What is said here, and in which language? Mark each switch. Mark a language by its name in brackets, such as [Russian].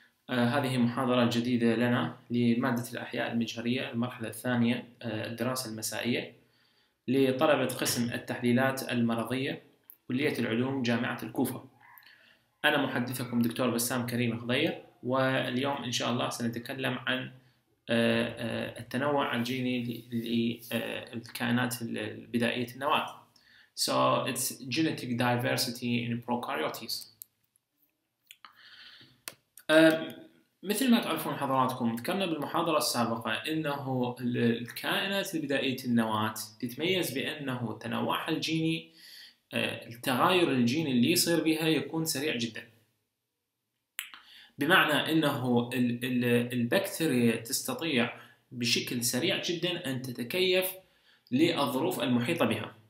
[Arabic] هذه محاضرة جديدة لنا لمادة الأحياء المجهرية المرحلة الثانية، الدراسة المسائية، لطلبة قسم التحليلات المرضية، كلية العلوم، جامعة الكوفة. أنا محدثكم دكتور بسام كريم خضير، واليوم إن شاء الله سنتكلم عن التنوع الجيني للكائنات البدائية النواة. [English] So it's genetic diversity in prokaryotes. [Arabic] مثل ما تعرفون حضراتكم، ذكرنا بالمحاضرة السابقة أنه الكائنات البدائية النواة تتميز بأنه تنوعها الجيني، التغير الجيني اللي يصير بها يكون سريع جدا، بمعنى أنه البكتيريا تستطيع بشكل سريع جدا أن تتكيف للظروف المحيطة بها.